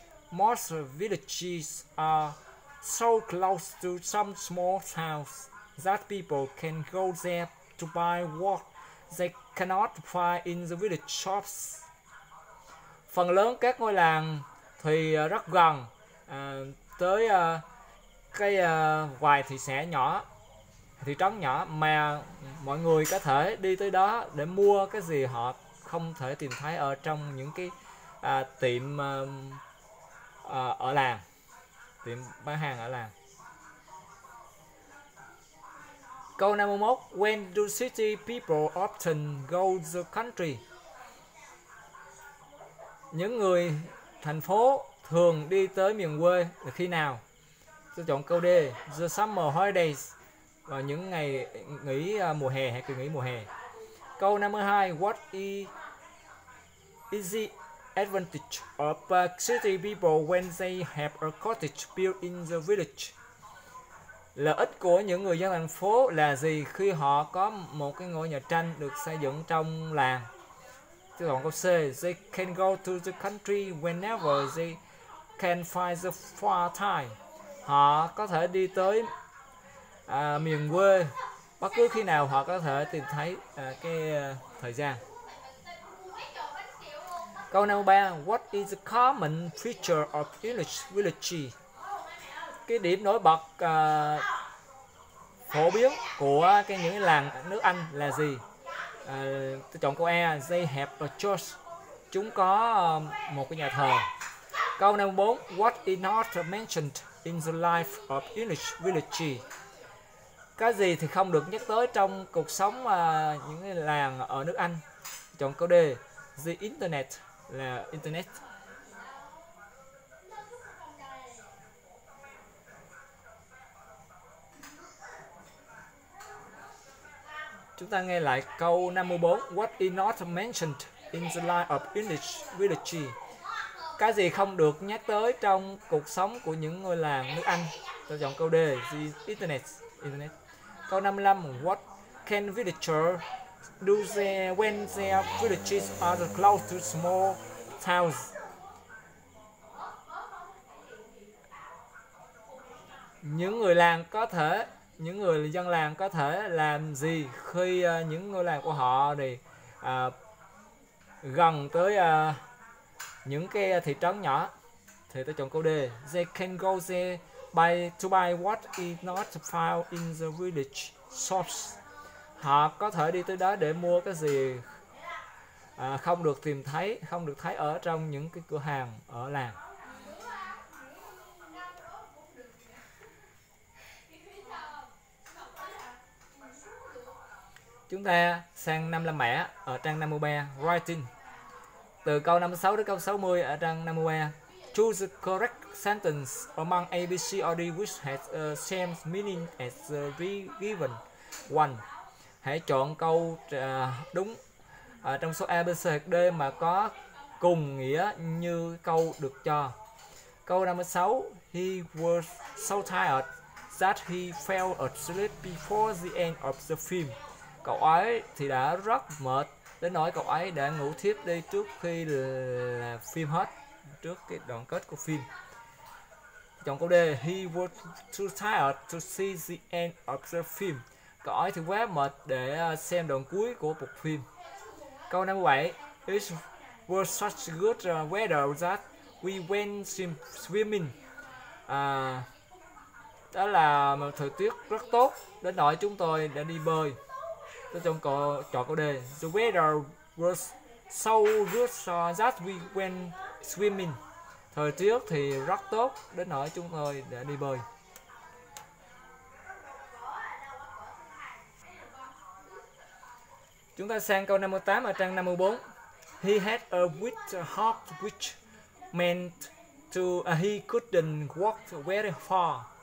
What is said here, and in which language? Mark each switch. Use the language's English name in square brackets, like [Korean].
[English] Most villages are so close to some small towns that people can go there to buy what they cannot find in the village shops. [Vietnamese] Phần lớn các ngôi làng thì rất gần tới cái vài thị xã nhỏ, thị trấn nhỏ mà mọi người có thể đi tới đó để mua cái gì họ không thể tìm thấy ở trong những cái tiệm ở làng, tiệm bán hàng ở làng. Câu 51, [English] when do city people often go to the country? [Vietnamese] Những người thành phố thường đi tới miền quê là khi nào? Tôi chọn câu D, [English] the summer holidays, [Vietnamese] và những ngày nghỉ mùa hè hay kỳ nghỉ mùa hè. Câu 52, [English] what is the advantage of city people when they have a cottage built in the village? [Vietnamese] Lợi ích của những người dân thành phố là gì khi họ có một cái ngôi nhà tranh được xây dựng trong làng? Tôi chọn câu C, [English] they can go to the country whenever they can find the far time. [Vietnamese] Họ có thể đi tới miền quê bất cứ khi nào họ có thể tìm thấy thời gian. Câu 53, [English] what is the common feature of village village? [Vietnamese] Cái điểm nổi bật phổ biến của cái những làng nước Anh là gì? Tôi chọn câu E, [English] they have a church. [Vietnamese] Chúng có một cái nhà thờ. Câu 54, [English] what is not mentioned in the life of English village? [Vietnamese] Cái gì thì không được nhắc tới trong cuộc sống những làng ở nước Anh? Chọn câu D, [English] the internet, [Vietnamese] là internet. Chúng ta nghe lại câu 54, [English] what is not mentioned in the life of English village? [Vietnamese] Cái gì không được nhắc tới trong cuộc sống của những ngôi làng nước Anh? Tôi chọn câu D, [English] the internet. Internet. [Vietnamese] Câu 55, [English] what can villagers do when their villages are close to small towns? [Vietnamese] Những người làng có thể, những người dân làng có thể làm gì khi những ngôi làng của họ thì gần tới những cái thị trấn nhỏ. Thì tôi chọn câu D. [English] They can go there to buy what is not found in the village shops. [Vietnamese] Họ có thể đi tới đó để mua cái gì không được tìm thấy, không được thấy ở trong những cái cửa hàng ở làng. Chúng ta sang 55 mẻ ở trang 53, writing. Từ câu 56 đến câu 60 ở trang 53. [English] Choose the correct sentence among A, B, C, or D which has the same meaning as the given one. [Vietnamese] Hãy chọn câu đúng trong số A, B, C, D mà có cùng nghĩa như câu được cho. Câu 56. [English] He was so tired that he fell asleep before the end of the film. [Vietnamese] Cậu ấy thì đã rất mệt đến nỗi cậu ấy đã ngủ thiếp đi trước khi là phim hết, trước cái đoạn kết của phim. Chọn câu D. [English] He was too tired to see the end of the film. [Vietnamese] Cậu ấy thì quá mệt để xem đoạn cuối của một phim. Câu 57. [English] It was such good weather that we went swimming. [Vietnamese] Đó là một thời tiết rất tốt đến nỗi chúng tôi đã đi bơi. Tôi chọn câu D. [English] The weather was so good that we went swimming. [Vietnamese] Thời tiết thì rất tốt đến nỗi chúng tôi đã đi bơi. Chúng ta sang câu 58 ở trang 54. [English] He had a weak heart which meant to he couldn't walk very far.